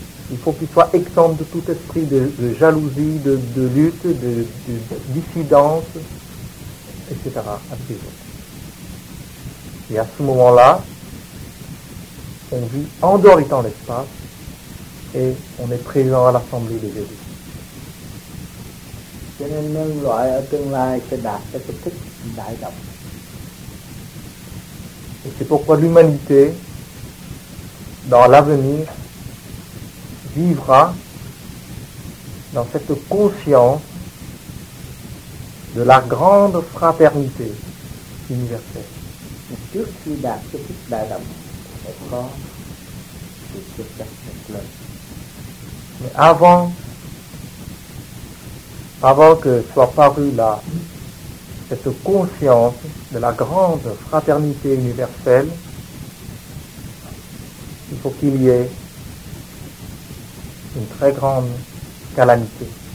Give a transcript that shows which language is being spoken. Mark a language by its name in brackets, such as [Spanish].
[French] Il faut qu'il soit exempt de tout esprit de jalousie, de lutte, de dissidence, etc. Et à ce moment-là, on vit en dehors du temps et de l'espace, et on est présent à l'assemblée de Jésus. [Vietnamese] Cho nên nhân loại ở tương lai sẽ đạt tới cái thức đại đồng. [French] Et c'est pourquoi l'humanité, dans l'avenir, vivra dans cette conscience de la grande fraternité universelle. [Vietnamese] Et trước khi đạt cái thức đại đồng, phải có sự thực tập một lần. [French] Mais avant que soit parue là cette conscience de la grande fraternité universelle, il faut qu'il y ait une très grande calamité.